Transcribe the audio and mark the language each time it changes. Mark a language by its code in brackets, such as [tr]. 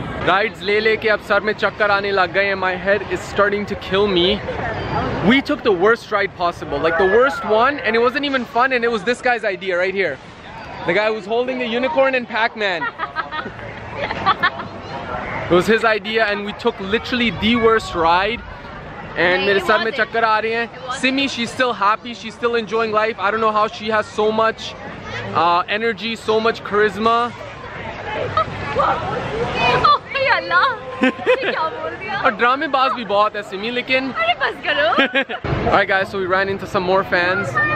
[hi] Rides leke ab sar mein chakkar aane lag gaye, [en] my head is starting to kill me. We took the worst ride possible, like the worst one, and it wasn't even fun, and it was this guy's idea right here. The guy who's holding the unicorn and Pac-Man. It was his idea and we took literally the worst ride. [hi] And मेरे sir में चक्कर आ रहे हैं. [en] Simi, she's still happy, she's still enjoying life. I don't know how she has so much energy, so much charisma. Alright guys, so we ran into some more fans.